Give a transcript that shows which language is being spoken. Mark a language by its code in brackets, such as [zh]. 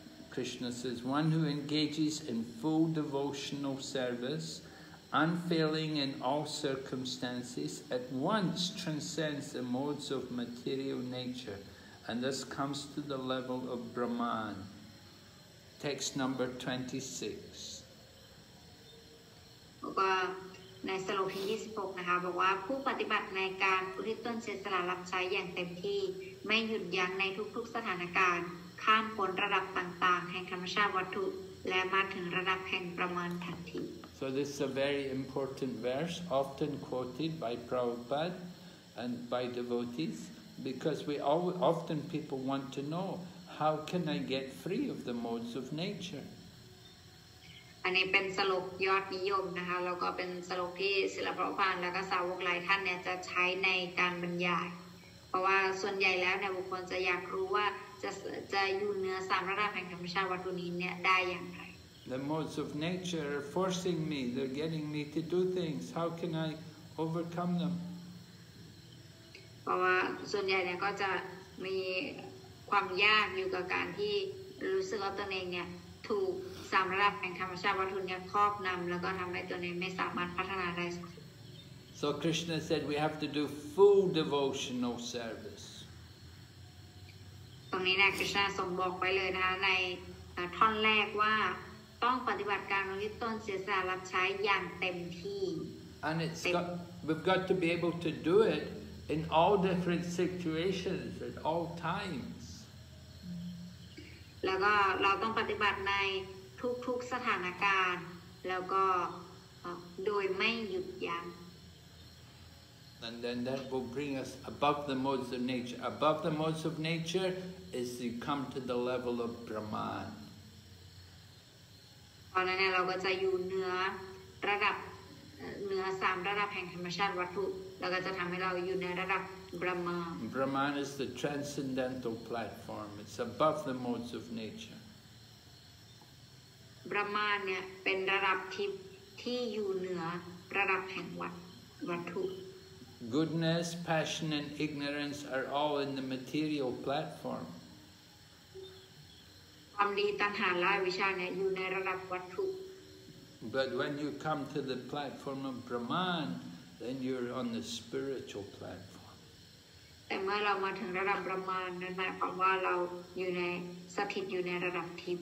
[en] Krishna says, "One who engages in full devotional service, unfailing in all circumstances, at once transcends the modes of material nature, and thus comes to the level of Brahman." Text number 26. [th] แล้วก็ในสโลกที่26นะคะบอกว่าผู้ปฏิบัติในการอุทิศตนเสียสละรับใช้อย่างเต็มที่ไม่หยุดยั้งในทุกๆสถานการณ์ข้ามพ้นระดับต่างๆแห่งธรรมชาติวัตถุและมาถึงระดับแห่งประมาณทันที [en] So this is a very important verse often quoted by Prabhupada and by devotees because we all, often people want to knowHow can I get free of the modes of nature? [th] อันนี้เป็นสโลกยอดนิยมนะคะแล้วก็เป็นสโลกที่ศิลปะพันธ์แล้วก็สาวกหลายท่านเนี่ยจะใช้ในการบรรยายเพราะว่าส่วนใหญ่แล้วเนี่ยบุคคลจะอยากรู้ว่าจะอยู่เหนือสามระดับแห่งธรรมชาติวัตถุนี้เนี่ยได้อย่างไร [en] The modes of nature are forcing me. They're getting me to do things. How can I overcome them? [th] เพราะว่าส่วนใหญ่เนี่ยก็จะมีความยากอยู่กับการที่รู้สึกว่าตนเองเนี่ยถูกสามระดับแห่งธรรมชาติวัตถุเนี่ยครอบนำแล้วก็ทำให้ตนเองไม่สามารถพัฒนาได้ [en] So Krishna said we have to do full devotional service [th] ตรงนี้นะ Krishna ทรงบอกไปเลยนะคะในท่อนแรกว่าต้องปฏิบัติการอุทิศตนเสียสละรับใช้อย่างเต็มที่ [en] And it's got, we've got to be able to do it in all different situations at all times [th] แล้วก็เราต้องปฏิบัติในทุกๆสถานการณ์แล้วก็โดยไม่หยุดยั้ง [en] And then that will bring us above the modes of nature. Above the modes of nature is to come to the level of Brahman. [th] ตอนนั้นเราก็จะอยู่เหนือระดับเหนือ3ระดับแห่งธรรมชาติวัตถุแล้วก็จะทำให้เราอยู่ในระดับBrahman. [en] Brahman is the transcendental platform. It's above the modes of nature. [th] Brahman เนี่ยเป็นระดับที่อยู่เหนือระดับแห่งวัตถุ [en] Goodness, passion, and ignorance are all in the material platform. [th] ความดีตัณหาและอวิชชาเนี่ยอยู่ในระดับวัตถุ [en] But when you come to the platform of Brahman, then you're on the spiritual platform. [th] แต่เมื่อเรามาถึงระดับประมาณนั้นหมายความว่าเราอยู่ในสถิตอยู่ในระดับทิพย